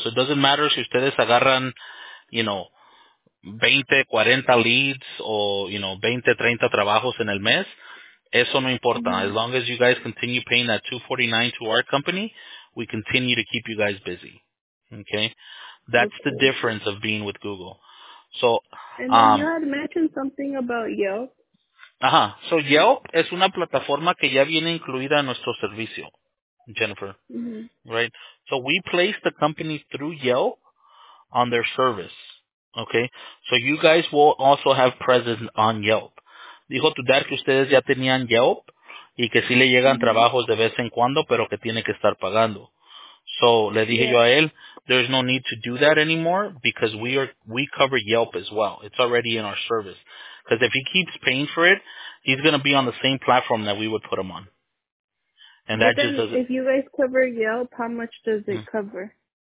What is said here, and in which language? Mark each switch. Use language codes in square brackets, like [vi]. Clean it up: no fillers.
[en] So it doesn't matter [es] si ustedes agarran, [en] you know, [es] 20, 40 leads o, you know, 20, 30 trabajos en el mes. Eso no importa. [en] Mm-hmm. As long as you guys continue paying that $249 to our company, we continue to keep you guys busy. Okay? That's okay. The difference of being with Google. So, and then you had mentioned something about Yelp. Ajá. [es] So Yelp es una plataforma que ya viene incluida en nuestro servicio, Jennifer. Mm-hmm. [en] Right? So we place the company through Yelp on their service. Okay? So you guys will also have presence on Yelp. [es] Dijo tu dad que ustedes ya tenían Yelp y que sí le llegan mm-hmm. trabajos de vez en cuando, pero que tiene que estar pagando. [en] So [es] le dije yo a él, [en] there's no need to do that anymore because we cover Yelp as well. It's already in our service. Because if he keeps paying for it, he's going to be on the same platform that we would put him on. And but that just doesn't... If you guys cover Yelp, how much does it cover?